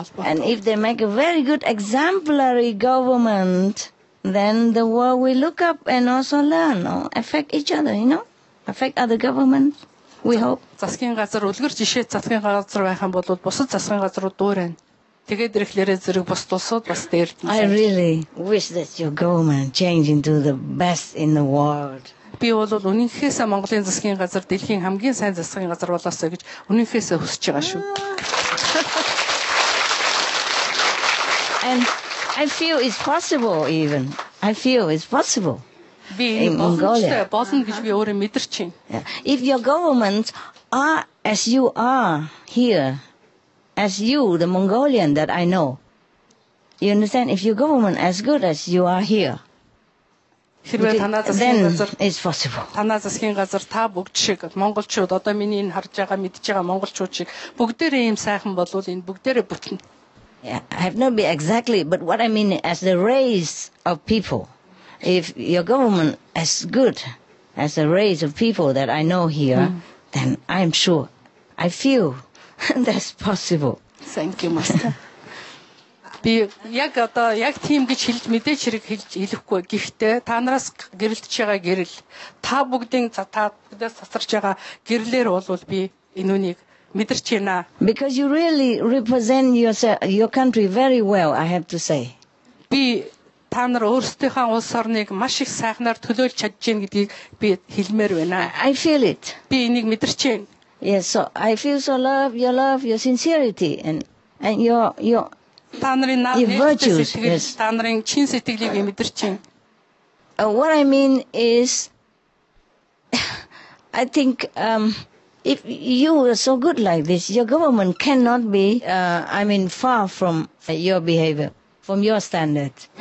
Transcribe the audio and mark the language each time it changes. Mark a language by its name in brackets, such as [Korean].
[English] And if they make a very good exemplary government, then the world will look up and also learn, or affect each other, you know? Affect other governments, we hope. [Mongolian] Засгийн газар үлгэр жишээ засгийн газар байх юм бол бусад засгийн газрууд дуурайна. Тэгээд ирэхлээрээ зэрэг бусад улсууд бас дээрдэнэ. [English] I really wish that your government change into the best in the world. [Mongolian] Би бол үнэнхээсээ Монголын засгийн газар дэлхийн хамгийн сайн засгийн газар болоосой гэж үнэнхээсээ хүсэж байгаа шүү. [English] And I feel it's possible even. I feel it's possible. If your government are as you are here, as you, the Mongolian that I know, you understand? If your government as good as you are here, then it's possible. [Mongolian] Танай засгийн газар та бүгд шиг монголчууд одоо миний энэ харж байгаа мэдж байгаа монголчууд шиг бүгдээрээ юм сайхан болвол энэ бүгдээрээ бүтэн. [English] I have no idea exactly, but what I mean as the race of people, if your government as good as the race of people that I know here, then I'm sure, I feel that's possible. Thank you, Master. [Mongolian] Би яг одоо яг тийм гэж хэлж мэдээч хэрэг хэлж хэлэхгүй гэхдээ та нараас гэрэлтж байгаа гэрэл та бүгдийн та бүдээс сасарч байгаа гэрлэр бол би энүүнийг мэдэрч байна. [English] Because you really represent your country very well, I have to say. [Mongolian] Би та нар өөрсдийнхөө улс орныг маш их сайхнаар төлөөлж чадж байгаа гэдгийг би хэлмээр байна. [English] I feel it. [Mongolian] Би энийг мэдэрч байна. [English] Yes, so I feel so love, your sincerity and your what I mean is, I think if you are so good like this, your government cannot be, far from your behavior, from your standard.